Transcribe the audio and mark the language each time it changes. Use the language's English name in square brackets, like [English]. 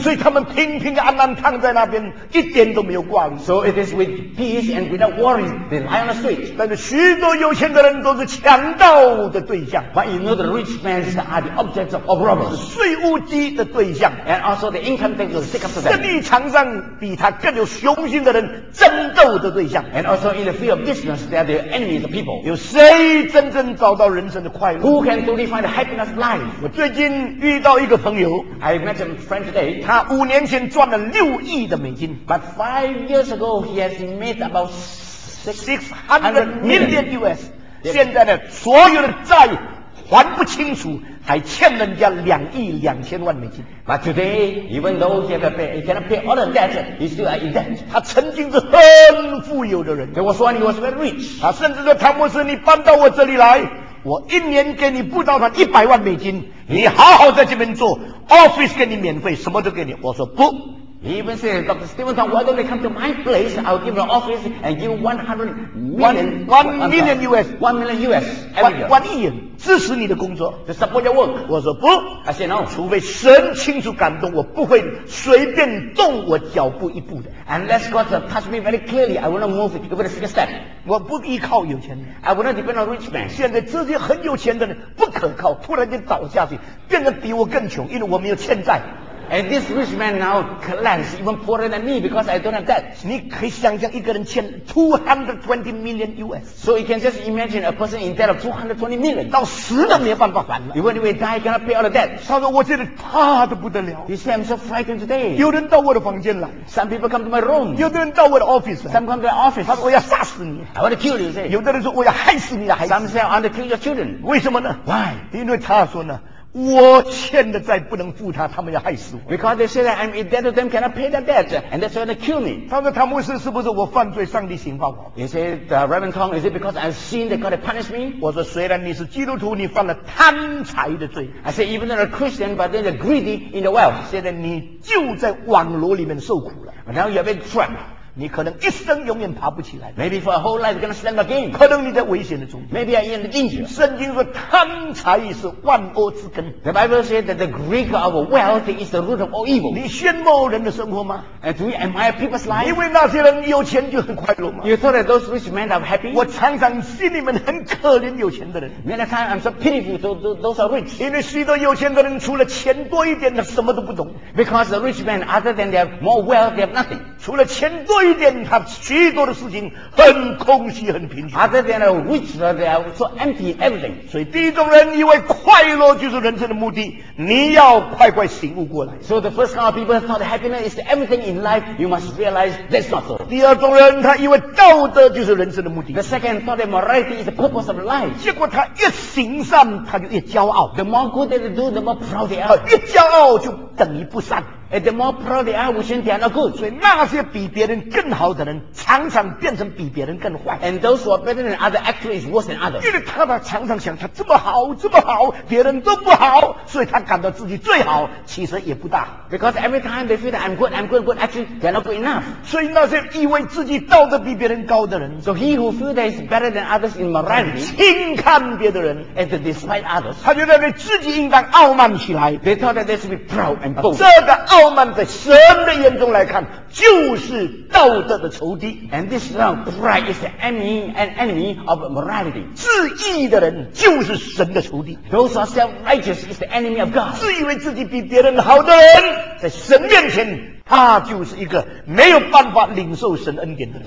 [Chinese] 所以他们平平安安躺在那边一点都没有挂虑 [English] So it is with peace and without worry they lie on the street. [Chinese] 但是许多有钱的人都是强盗的对象 [English] But you know the rich men are the objects of robbers. [Chinese] 税务机的对象 [English] And also the income tax will stick up to them. [Chinese] 生意场上比他更有雄心的人争斗的对象 [English] And also in the field of business they are the enemies of people. [Chinese] 有谁真正找到人生的快乐 [English] Who can truly find a happiness life? [Chinese] 我最近遇到一个朋友 [English] I met a friend today. [Chinese] 他五年前赚了 [English] $6 billion. But5 years ago, he has made about $600 million. [Chinese] 现在呢，所有的债还不清楚，还欠人家 [English] $22,000,000. But today, even though he cannot pay all the debts, he still has debts. [Chinese] 他曾经是很富有的人。 [English] There was one who was very rich. [Chinese] 他甚至说：“汤姆斯，你搬到我这里来。” 我一年给你不到$100,000，你好好在这边做 ，office 给你免费，什么都给你。我说不。 [English] He even said, Dr. Stephen Tong, why don't they come to my place? I'll give you an office and give $100 million. $1 million US. $1 million. [Chinese] 支持你的工作。 [English] To support your work. [Chinese] 我说不。 [English] I said no. [Chinese] 除非神清楚感动，我不会随便动我脚步一步的。 [English] Unless God touch me very clearly, I will not move even a single step. [Chinese] 我不依靠有钱人。 [English] I will not depend on rich men. [Chinese] 现在这些很有钱的人不可靠，突然间倒下去，变得比我更穷，因为我没有欠债。 [English] And this rich man now collapsed even poorer than me because I don't have debt. [Chinese] 你可以想象一个人欠 [English] $220 million. So you can just imagine a person in debt of $220 million. [Chinese] 到死都没办法还了。 [English] Even if he die, cannot pay all the debt. [Chinese] 他说我真的怕得不得了。 [English] He said, I'm so frightened today. [Chinese] 有人到我的房间来。 [English] Some people come to my room. [Chinese] 有的人到我的 office. [English] Some come to my office. [Chinese] 他说我要杀死你。 [English] I want to kill you, say. [Chinese] 有的人说我要害死你的孩子。 [English] Some say, I want to kill your children. [Chinese] 为什么呢 [English] ？Why? [Chinese] 因为他说呢。我欠的债不能付他，他们要害死我。 [English] Because they say that I'm in debt to them, cannot pay the debt, and that's why they kill me. [Chinese] 他说汤姆斯是不是我犯罪，上帝刑罚我 [English] ？He said, Reverend Tong, is it because I sinned that God punished me? [Chinese] 我说虽然你是基督徒，你犯了贪财的罪。 [English] I said, even though a Christian, but then they're greedy in the wealth. [Chinese] 现在你就在网罗里面受苦了。 [English] But now you've been trapped. [Chinese] 你可能一生永远爬不起来。 [English] Maybe for a whole life you're gonna stand again. [Chinese] 可能你在危险的中间。 [English] Maybe I am in danger. [Chinese] 圣经说贪财是万恶之根。 [English] The Bible says that the greed of wealth is the root of all evil. [Chinese] 你羡慕人的生活吗 [English] ？And do you admire people's life? [Chinese] 因为那些人有钱就很快乐吗 [English] ？You thought that those rich men are happy? [Chinese] 我常常心里面很可怜有钱的人。 [English] Many times I'm so pitiful to those are rich. [Chinese] 因为许多有钱的人除了钱多一点，他什么都不懂。 [English] Because the rich men, other than they have more wealth, they have nothing. [Chinese] 除了钱多。一点，他许多的事情很空虚，很贫穷。 [English] Other than rich, they are so empty everything. [Chinese] 所以第一种人以为快乐就是人生的目的，你要快快醒悟过来。 [English] So the first kind of people thought happiness is everything in life. You must realize that's not so. [Chinese] 第二种人他以为道德就是人生的目的。 [English] The second thought that morality is the purpose of life. [Chinese] 结果他一行善，他就越骄傲。 [English] The more good they do, the more proud they are. [Chinese] 一骄傲就等于不善。 [English] And the more proud they are, they are not good. [Chinese] 所以那些比别人更好的人，常常变成比别人更坏。 [English] And those who are better than others actually is worse than others. [Chinese] 因为他们常常想，他这么好，这么好，别人都不好，所以他感到自己最好，其实也不大。 [English] Because every time they feel that I'm good, actually they are not good enough. [Chinese] 所以那些以为自己道德比别人高的人 [English] ，So he who feels that he's better than others in morality, [Chinese] 轻看别的人 [English] ，and despise others. [Chinese] 他就认为自己应当傲慢起来。 [English] They thought that they should be proud and bold. [Chinese] 这个傲傲慢在神的眼中来看，就是道德的仇敌。 [English] And this pride is an enemy of morality. [Chinese] 自义的人就是神的仇敌。 [English] Those who are self-righteous is the enemy of God. [Chinese] 自以为自己比别人好的人，在神面前他就是一个没有办法领受神恩典的人。